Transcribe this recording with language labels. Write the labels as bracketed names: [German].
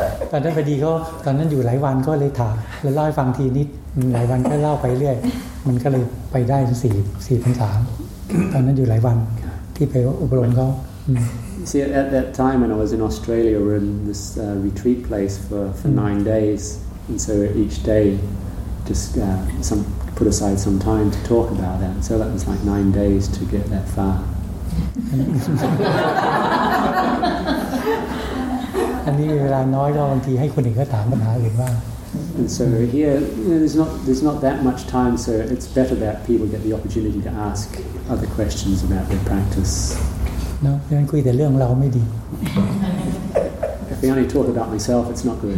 [Thai] ตอนนั้นพอดีก็ตอนนั้นอยู่หลายวันก็เลยถามแล้วเล่าให้ฟังทีนิดหลายวันก็เล่าไปเรื่อยมันก็เลยไปได้สี่ถึงสามตอนนั้นอยู่หลายวันที่ไปอบรมเขา [English] See at that time when I was in Australia we were in this retreat place for 9 days and so each day just some put aside some time to talk about that so that was like 9 days to get that far [Thai] อันนี้เวลาน้อยก็บางทีให้คนอื่นก็ถามปัญหาอื่นบ้าง [English] And so here there's not that much time so it's better that people get the opportunity to ask other questions about their practice. No, we only talk about ourselves. If we only talk about myself, it's not good.